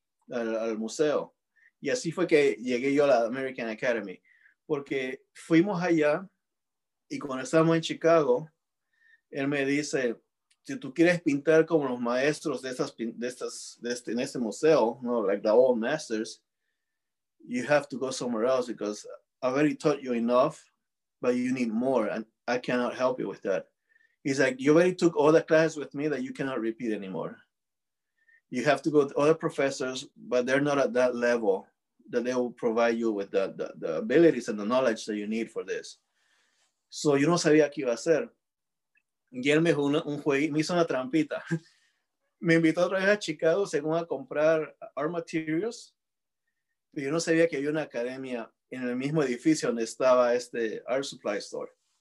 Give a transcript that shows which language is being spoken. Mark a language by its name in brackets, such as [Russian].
[Spanish] Al museo. Y así fue que llegué yo a la American Academy. Porque fuimos allá y cuando estábamos en Chicago, él me dice, si tú quieres pintar como los maestros en este museo, ¿no? [English] Like the old masters, you have to go somewhere else because I've already taught you enough, but you need more and I cannot help you with that. He's like, you already took all the classes with me that you cannot repeat anymore. You have to go to other professors, but they're not at that level that they will provide you with the abilities and the knowledge that you need for this. [Spanish] So yo no sabía qué iba a hacer. Y él me hizo una trampita. me invitó otra vez a Chicago según a comprar art materials. Y yo no sabía que había una academia en el mismo edificio donde estaba este art supply store.